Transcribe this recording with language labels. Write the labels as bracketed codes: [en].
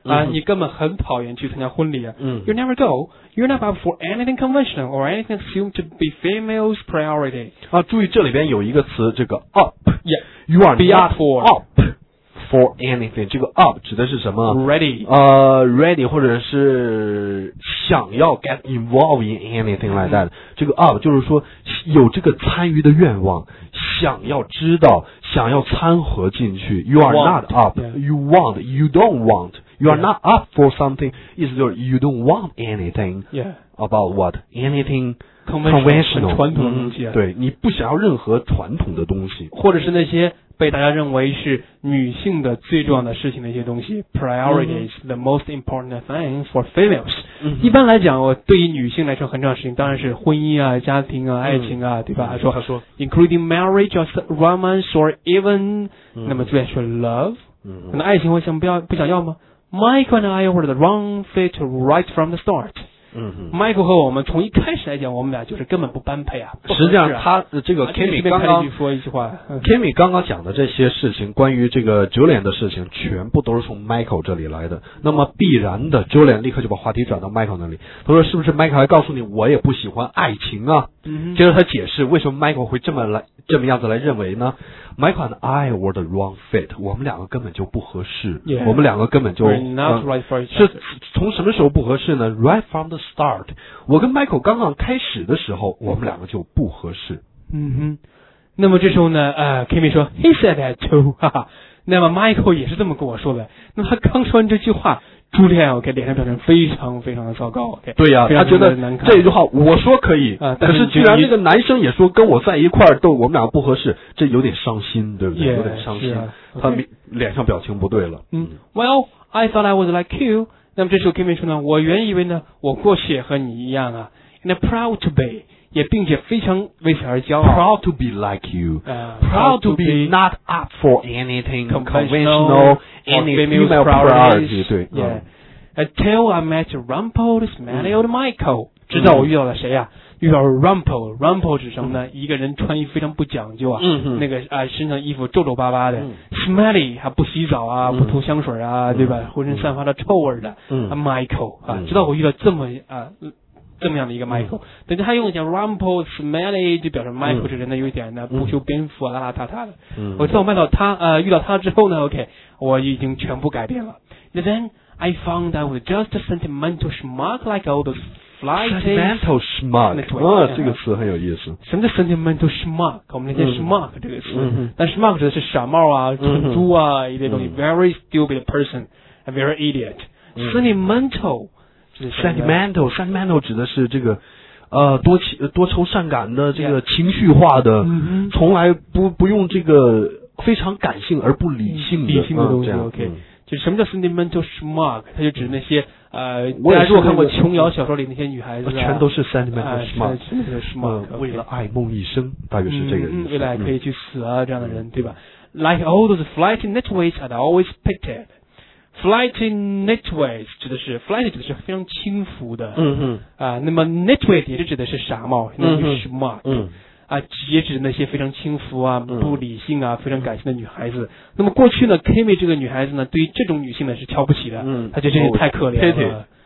[zh] 你根本很讨厌去参加婚礼。嗯， [en] You never go. You're not up for anything conventional or anything assumed to be female's priority. [zh] 啊，注意这里边有一个词，这个 up. [en] Yeah. You are not for up for anything. [zh] 这个 up 指的是什么？ [en] Ready. Ready [zh] 或者是想要 [en] get involved in anything like that.、Mm-hmm. [zh] 这个 up 就是说有这个参与的愿望，想要知道，想要参和进去。 [en] You are not up.、 Yeah. You want. You don't want. You are not up for something. [zh] 意思就是 [en] you don't want anything、 yeah. about what? Anything conventional. [zh] 传统的东西、啊嗯、对，你不想要任何传统的东西。或者是那些被大家认为是女性的最重要的事情的一些东西。 [en] Priorities,、 [zh] 嗯、 [en] the most important thing for females.、 [zh] 嗯、一般来讲，我对于女性来说很重要的事情当然是婚姻啊、家庭啊、爱情啊、嗯、对吧？还说他说 [en] including marriage or romance or even、 [zh] 嗯、那么最爱说 love、嗯、可能爱情我想不要，不想要吗？ [en] Michael and I were the wrong fit right from the start、 [zh] 嗯、哼 Michael 和我们从一开始来讲我们俩就是根本不般配啊，不合适啊。实际上他这个 Kimmy 刚刚说一句话、嗯、Kimmy 刚刚讲的这些事情，关于这个 Julian 的事情全部都是从 Michael 这里来的。那么必然的 Julian 立刻就把话题转到 Michael 那里，他说是不是 Michael 还告诉你我也不喜欢爱情啊、嗯、接着他解释为什么 Michael 会这么样子来认为呢。 [en] Michael and I were the wrong fit. [zh] 我们两个根本就不合适。 [en] Yeah, [zh] 我们两个根本就 [en] not right for each other. [zh] 是从什么时候不合适呢？ [en] Right from the start. [zh] 我跟 Michael 刚刚开始的时候，我们两个就不合适。嗯哼。那么这时候呢，Kimmy 说 ， [en] He said that too. [zh] 哈哈。那么 Michael 也是这么跟我说的。那他刚说完这句话，朱莉安 OK 脸上表情非常非常的糟糕。 [en] Okay, [zh] 对呀、啊，他觉得这句话我说可以、但是既然那个男生也说跟我在一块儿都我们俩不合适，这有点伤心，对不对？ [en] Yeah, [zh] 有点伤心、啊 okay ，他脸上表情不对了。 [en] 嗯 ，Well, I thought I was like you. [zh] 那么这时候 Kimmy 说呢，我原以为呢，我过去也和你一样啊 ， [en] and proud to be， [zh] 也并且非常为此而骄傲。 [en] Proud to be like you.、 Proud to be not up for anything conventional. Any female priority, yeah. Until I met Rumpel, this man named Michael.、 [zh] 嗯、直到我遇到了谁啊？遇到 Rumpel. Rumpel 指什么呢、嗯？一个人穿衣非常不讲究啊，嗯、那个啊、身上衣服皱皱巴巴的、嗯、，smelly 还不洗澡啊，嗯、不涂香水啊、嗯，对吧？浑身散发着臭味的、嗯啊、Michael 啊、嗯，直到我遇到这么样的一个 Michael，、嗯、等于他用一点 Rumpel smelly 就表示 Michael 这人呢有一点呢不修边幅、邋邋遢遢的。嗯、我自从遇到他之后呢 ，OK， 我已经全部改变了。 [en] Then I found I was just a sentimental schmuck like all those flighties. [zh] Sentimental schmuck， 啊、这个词很有意思。什么叫 sentimental schmuck？我们那些 schmuck 这个词，嗯、但 schmuck 指的是傻帽啊、蠢猪啊、嗯、一类东西。 [en] Very stupid person， a very idiot、 [zh] 嗯。 [en] Sentimental。 [zh] Sentimental 指的是这个多愁善感的这个情绪化的、 [en] yeah. [zh] 从来不用这个非常感性而不理性的、理性的东西、啊、 OK、就什么叫 sentimental schmuck， 它就指那些我也是我看过琼瑶小说里那些女孩子、啊、全都是 sentimental schmuck、 [en] okay. [zh] 为了爱梦一生，大约是这个意思、未来可以去死啊、这样的人对吧。 [en] Like all those flighty nitwits I'd always pictedFlighty nitwits [zh] 指的是 flighty 指的是非常轻浮的，嗯哼，那么 nitwit 也是指的是傻帽，那就是 schmuck， 也指那些非常轻浮啊、不理性啊、非常感性的女孩子。那么过去呢 ，Kimmy 这个女孩子呢，对于这种女性呢是瞧不起的，她觉得这些太可怜了。